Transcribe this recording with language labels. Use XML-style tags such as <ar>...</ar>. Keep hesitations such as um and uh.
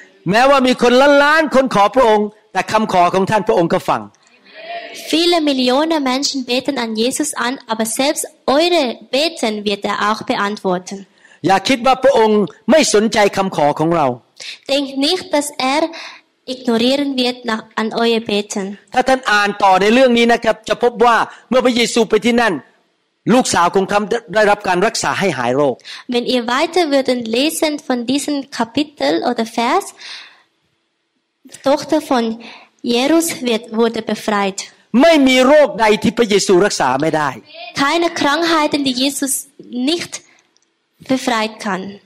<th>แม้ว่ามีคนล้านล้านคนขอพระองค์แต่คำขอของท่านพระองค์ก็ฟัง</th> <de>viele Millionen Menschen beten an Jesus an aber selbst eure beten wird er auch beantworten Nicht</de> <th>อย่าคิดว่าพระองค์ไม่สนใจคำขอของเรา</th> <de>Denkt nicht, dass er ignorieren wird an eure Beten.</de> <th>ถ้าท่านอ่านต่อในเรื่องนี้นะครับจะพบว่าเมื่อพระเยซูไปที่นั่น ลูกสาวของคำได้รับการรักษาให้หายโรค</th> <de>Wenn ihr weiter würden lesen von diesem Kapitel oder Vers, Tochter von Jesus wird wurde befreit.</de> <th>ไม่มีโรคใดที่พระเยซูรักษาไม่ได้</th> <de>Keine Krankheit, die Jesus nicht befreit kann.</de>